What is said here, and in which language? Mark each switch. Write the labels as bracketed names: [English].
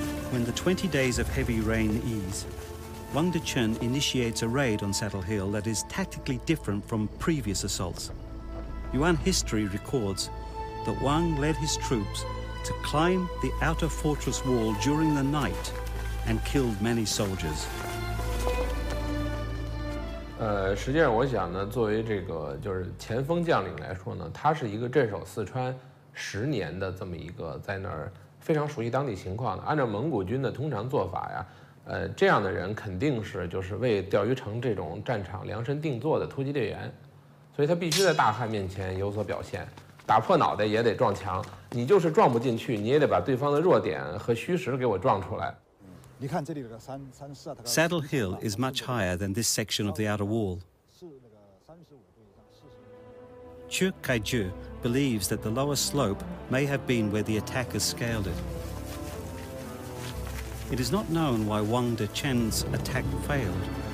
[English] When the 20 days of heavy rain ease, Wang Diaoyucheng initiates a raid on Saddle Hill that is tactically different from previous assaults. Yuan history records that Wang led his troops to climb the outer fortress wall during the night and killed many soldiers. [Chinese] 实际上我想呢，作为这个就是前锋将领来说呢，他是一个镇守四川10年的这么一个在那儿非常熟悉当地情况的。按照蒙古军的通常做法呀，这样的人肯定是就是为钓鱼城这种战场量身定做的突击队员，所以他必须在大汉面前有所表现，打破脑袋也得撞墙，你就是撞不进去，你也得把对方的弱点和虚实给我撞出来。你看这里的三四啊，它 [English] Saddle Hill is much higher than this section of the outer wall. Chu Kaiju believes that the lower slope may have been where the attackers scaled it. It is not known why Wang De Chen's attack failed.